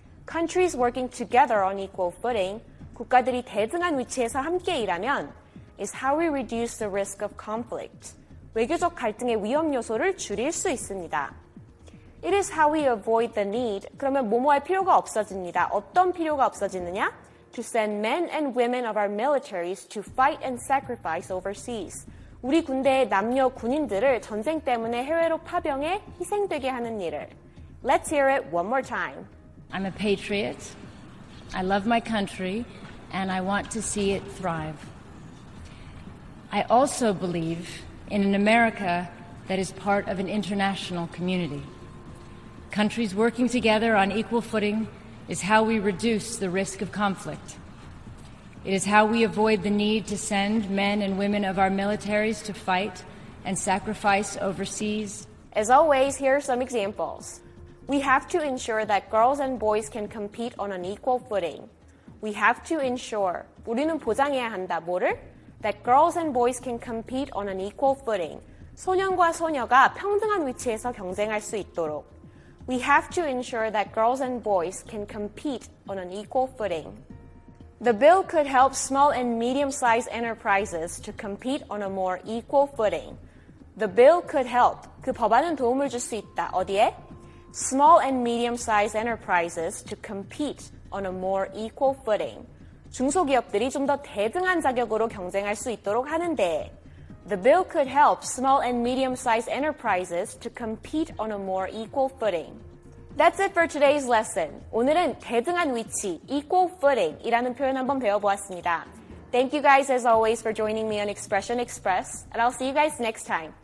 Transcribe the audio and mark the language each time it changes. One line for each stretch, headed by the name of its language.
English: Countries working together on equal footing,
Korean: 국가들이 대등한 위치에서 함께 일하면
English: is how we reduce the risk of conflict,
Korean: 외교적 갈등의 위험 요소를 줄일 수 있습니다.
English: It is how we avoid the need,
Korean: 그러면 뭐뭐할 필요가 없어집니다. 어떤 필요가 없어지느냐?
English: To send men and women of our militaries to fight and sacrifice overseas.
Korean: 우리 군대의 남녀 군인들을 전쟁 때문에 해외로 파병해 희생되게 하는 일을.
English: Let's hear it one more time. I'm a patriot. I love my country and I want to see it thrive. I also believe in an America that is part of an international community. Countries working together on equal footing is how we reduce the risk of conflict. It is how we avoid the need to send men and women of our militaries to fight and sacrifice overseas. As always, here are some examples. We have to ensure that girls and boys can compete on an equal footing. We have to ensure,
Korean: 우리는 보장해야 한다, 뭐를?
English: That girls and boys can compete on an equal footing.
Korean: 소년과 소녀가 평등한 위치에서 경쟁할 수 있도록.
English: We have to ensure that girls and boys can compete on an equal footing. The bill could help small and medium-sized enterprises to compete on a more equal footing. The bill could help.
Korean: 그 법안은 도움을 줄 수 있다. 어디에?
English: Small and medium-sized enterprises to compete on a more equal footing.
Korean: 중소기업들이 좀 더 대등한 자격으로 경쟁할 수 있도록 하는데.
English: The bill could help small and medium-sized enterprises to compete on a more equal footing. That's it for today's lesson.
Korean: 오늘은 대등한 위치, equal footing 이라는 표현 한번 배워보았습니다.
English: Thank you guys as always for joining me on Expression Express, and I'll see you guys next time.